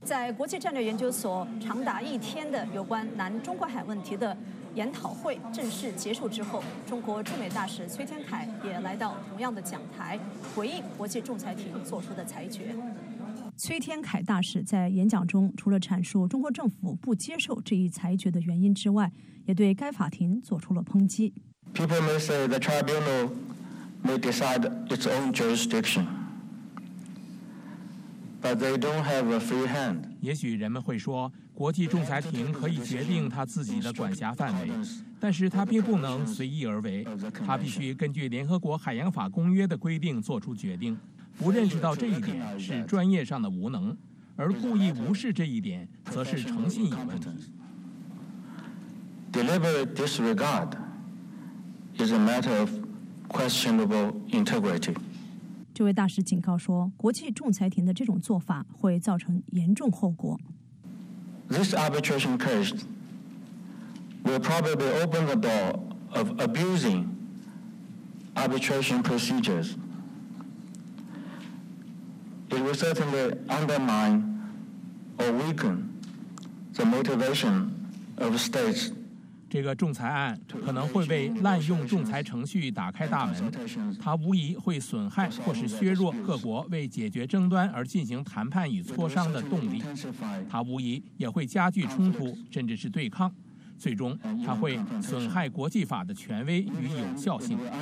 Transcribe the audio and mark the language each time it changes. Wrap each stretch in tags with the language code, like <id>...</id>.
<zh>在国际战略研究所长达一天的有关南中国海问题的研讨会正式结束之后，中国驻美大使崔天凯也来到同样的讲台，回应国际仲裁庭做出的裁决。崔天凯大使在演讲中除了阐述中国政府不接受这一裁决的原因之外，也对该法庭做出了抨击。</zh> <en>People may say the tribunal may decide its own jurisdiction, but they don't have a free hand.</en> <zh>也许人们会说，国际仲裁庭可以决定他自己的管辖范围，但是他并不能随意而为，他必须根据联合国海洋法公约的规定做出决定。不认识到这一点是专业上的无能，而故意无视这一点则是诚信有问题。</zh> <en>Deliberate disregard. Is a matter of questionable integrity.</en> <zh>这位大使警告说，国际仲裁庭的这种做法会造成严重后果。</zh> <en>This arbitration case will probably open the door of abusing arbitration procedures. It will certainly undermine or weaken the motivation of states.</en> <zh>这个仲裁案可能会为滥用仲裁程序打开大门，它无疑会损害或是削弱各国为解决争端而进行谈判与磋商的动力，它无疑也会加剧冲突甚至是对抗，最终它会损害国际法的权威与有效性。</zh>